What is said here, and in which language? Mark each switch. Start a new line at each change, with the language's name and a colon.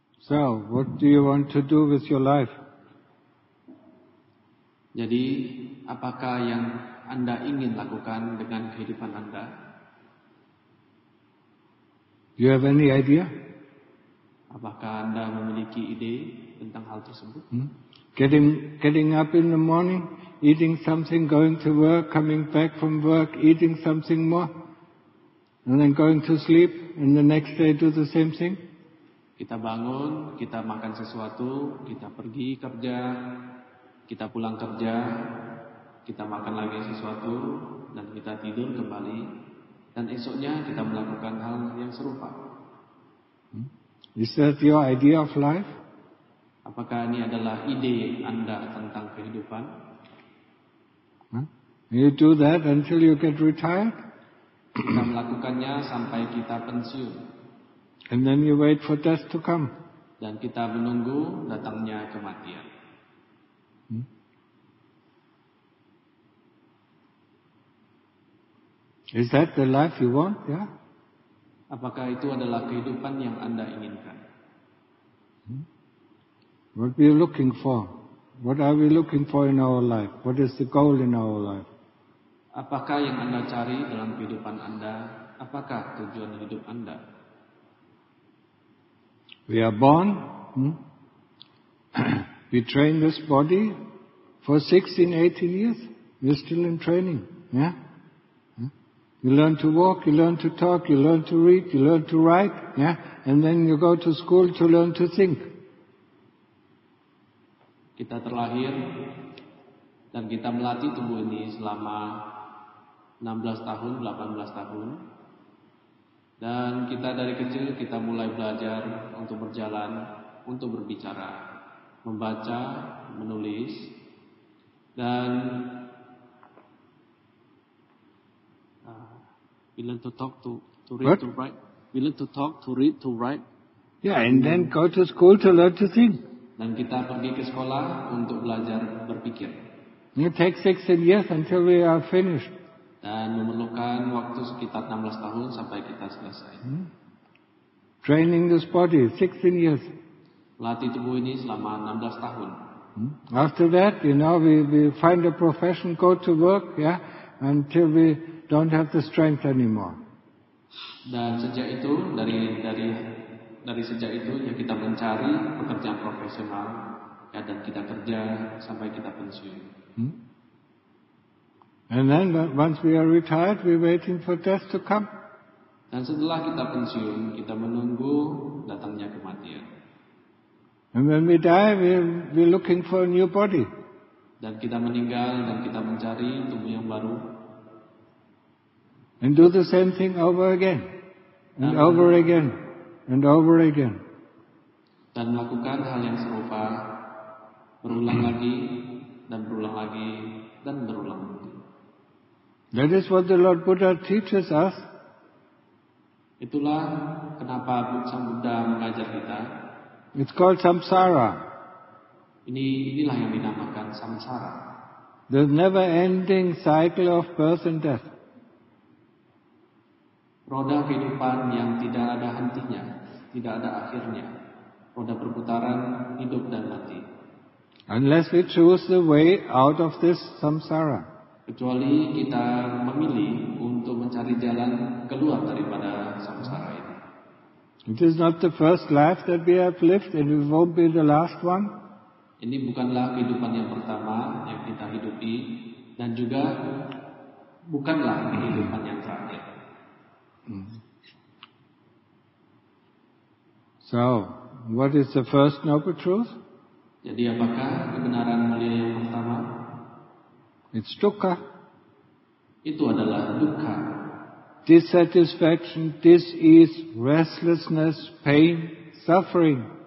English: So, what do you want to do with your life?
Indonesian: Jadi, apakah yang Anda ingin lakukan dengan kehidupan Anda?
English: Do you have any idea?
Indonesian: Apakah Anda memiliki ide tentang hal tersebut?
English: Getting up in the morning, eating something, going to work, coming back from work, eating something more, and then going to sleep, and the next day do the same thing?
Indonesian: Kita bangun, kita makan sesuatu, kita pergi kerja, kita pulang kerja, kita makan lagi sesuatu, dan kita tidur kembali, dan esoknya kita melakukan hal yang serupa.
English: Is that your idea of life?
Indonesian: Apakah ini adalah ide Anda tentang kehidupan?
English: You do that until you get retired?
Indonesian: Kita melakukannya sampai kita pensiun.
English: And then you wait for death to come.
Indonesian: Dan kita menunggu datangnya kematian.
English: Is that the life you want? Yeah.
Indonesian: Apakah itu adalah kehidupan yang Anda inginkan?
English: What are we looking for? What are we looking for in our life? What is the goal in our life?
Indonesian: Apakah yang Anda cari dalam kehidupan Anda? Apakah tujuan hidup Anda?
English: We are born. We train this body for 16, 18 years. We're still in training. Yeah. You learn to walk, you learn to talk, you learn to read, you learn to write, yeah? And then you go to school to learn to think.
Indonesian: Kita terlahir dan kita melatih tubuh ini selama 16 tahun, 18 tahun. Dan kita dari kecil kita mulai belajar untuk berjalan, untuk berbicara, membaca, menulis, dan
English: we learn to talk, to read, what? To write. We learn to talk, to read, to write. Yeah, and then go to school to learn to think.
Indonesian: Dan kita pergi ke sekolah untuk belajar berpikir.
English: It takes 16 years until we are finished.
Indonesian: Dan memerlukan waktu sekitar 16 tahun sampai kita selesai.
English: Training this body, 16 years.
Indonesian: Latih tubuh ini selama 16 tahun.
English: After that, you know, we find a profession, go to work, yeah, until we don't have the strength anymore.
Indonesian: Dan sejak itu dari sejak itu ya kita mencari pekerjaan profesional ya, dan kita kerja sampai kita pensiun.
English: And then once we are retired, we're waiting for death to come.
Indonesian: Dan setelah kita pensiun, kita menunggu datangnya kematian.
English: And when we die, we're looking for a new body.
Indonesian: Dan kita meninggal dan kita mencari tubuh yang baru.
English: And do the same thing over again, and over again, and over again.
Indonesian: Dan melakukan hal yang serupa, berulang lagi, dan berulang lagi, dan berulang lagi.
English: That is what the Lord Buddha teaches us.
Indonesian: Itulah kenapa Sang Buddha mengajar kita.
English: It's called samsara.
Indonesian: Inilah yang dinamakan samsara. The never-ending cycle of birth and death. Roda kehidupan yang tidak ada hentinya, tidak ada akhirnya. Roda perputaran hidup dan mati.
English: Unless we choose the way out of this samsara.
Indonesian: Kecuali kita memilih untuk mencari jalan keluar daripada samsara ini.
English: It is not the first life that we have lived and it won't be the last one.
Indonesian: Ini bukanlah kehidupan yang pertama yang kita hidupi dan juga bukanlah kehidupan yang terakhir.
English: So, what is the first noble truth?
Indonesian: Jadi apakah kebenaran mulia yang pertama?
English: It's dukkha.
Indonesian: Itu adalah dukkha.
English: Dissatisfaction, dis-ease, restlessness, pain, suffering.